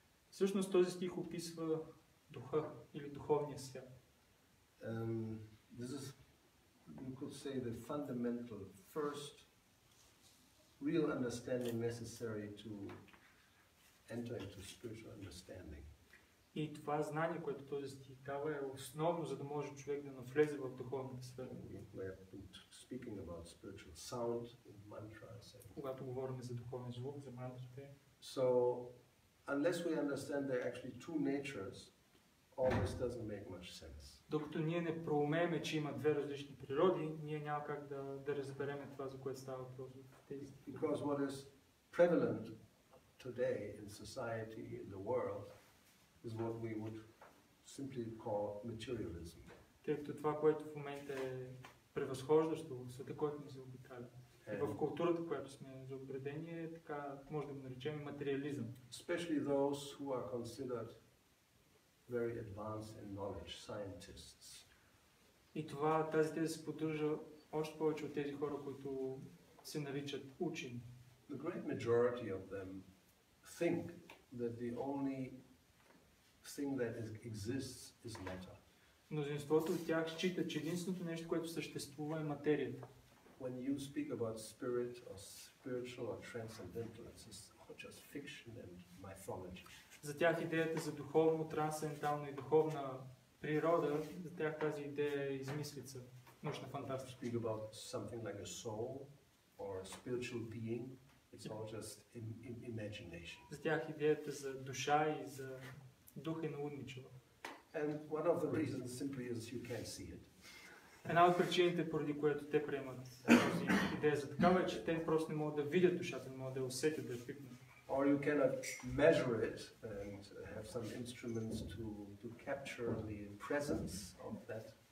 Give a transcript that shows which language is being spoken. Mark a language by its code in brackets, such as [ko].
[bg] Всъщност този стих описва духа или духовния свят. [en] This is, you could say, the fundamental first real understanding necessary to enter into spiritual understanding. [bg] И това знание, което този стих дава, е основно, за да може човек да навлезе в духовната сфера. [en] Speaking about spiritual sound and mantras. [bg] Когато говорим за духовен звук, за мантрите. [en] So, unless we understand there are actually two natures, all this doesn't make much sense. [bg] Докато ние не проумеем, че има две различни природи, ние няма как да разберем това, за което става въпрос в тези стихи. [en] Because what is prevalent today in society, in the world, is what we would simply call materialism. [bg] Тъй това, което в момента е превъзхождащо в света, който ни се обикаля. В културата, която сме заобредени, е така, може да го наречем материализъм. [en] Especially those who are considered very advanced in knowledge, scientists. [bg] И това, тази теза се поддържа още повече от тези хора, които се наричат учени. [en] The great majority of them think that the only thing that exists is matter. [bg] Мнозинството от тях счита, че единственото нещо, което съществува, е материята. [en] When you speak about spirit or spiritual or transcendental, it's just fiction and mythology. [bg] За тях идеята за духовно, трансцендентална и духовна природа, за тях тази идея е измислица, нощна фантастика. [en] Speak about something like a soul or a spiritual being, it's all just imagination. [bg] За тях идеята за душа и за дух е наудничава. [en] And one of the reasons simply is you can't see it. [bg] Една от причините, поради която те приемат тази идея за такава, че те просто не могат да видят душата, не могат да я усетят, да я пипнат. [en] Or you cannot measure it and have some instruments to capture the presence of that.